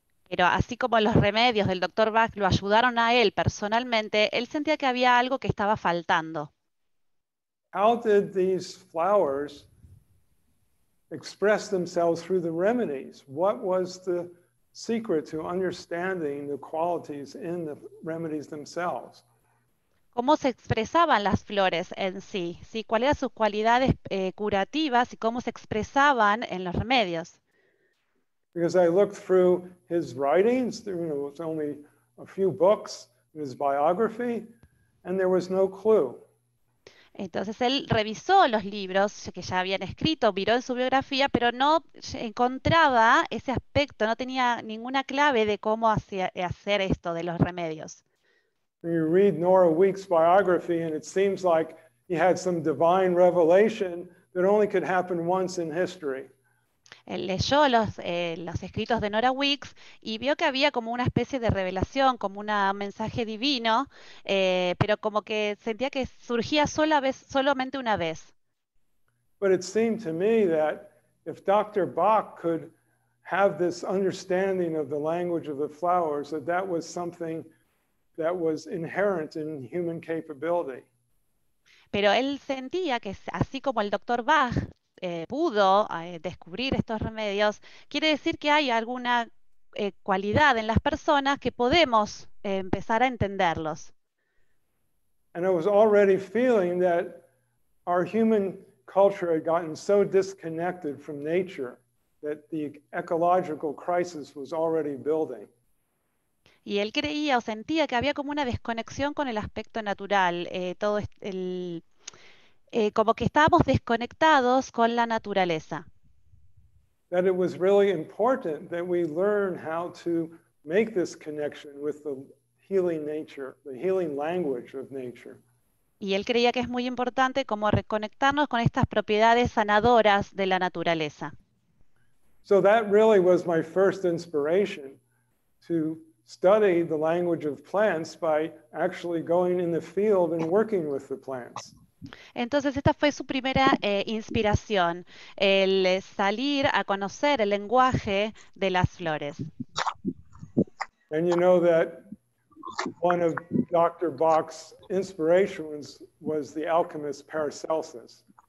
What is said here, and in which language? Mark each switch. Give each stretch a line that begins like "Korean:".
Spanish: Pero así como los remedios del Dr. Bach lo ayudaron a él personalmente, él sentía que había algo que estaba faltando.
English: How did these flowers express themselves through the remedies? What was the secret to understanding the qualities in the remedies themselves?
Spanish: ¿Cómo se expresaban las flores en sí? ¿Sí? ¿Cuáles eran sus cualidades curativas y cómo se expresaban en los remedios?
English: Because I looked through his writings, you know, it was only a few books, his biography, and there was no clue.
Spanish: Entonces él revisó los libros que ya habían escrito, miró en su biografía, pero no encontraba ese aspecto, no tenía ninguna clave de cómo hacer esto de los remedios.
English: You read Nora Week's biography and it seems like he had some divine revelation that only could happen once in history.
Spanish: Él leyó los escritos de Nora Weeks y vio que había como una especie de revelación, como un mensaje divino, pero como que sentía que surgía solamente una vez.
English: But it seemed to me that if Dr. Bach could have this understanding of the language of the flowers, that was something that was inherent in human capability.
Spanish: Pero él sentía que así como el Dr. Bach pudo descubrir estos remedios, quiere decir que hay alguna cualidad en las personas que podemos empezar a entenderlos.
English: And I was already feeling that our human culture had gotten so disconnected from nature that the ecological crisis was already building.
Spanish: Y él creía o sentía que había como una desconexión con el aspecto natural, como que estábamos desconectados con la naturaleza.
English: That it was really important that we learn how to make this connection with the healing nature, the healing language of nature.
Spanish: Y él creía que es muy importante como reconectarnos con estas propiedades sanadoras de la naturaleza.
English: So that really was my first inspiration to study the language of plants by actually going in the field and working with the plants.
Spanish: Entonces esta fue su primera inspiración, el salir a conocer el lenguaje de las flores.
English: And you know that one of Dr. Bach's inspirations was the alchemist Paracelsus.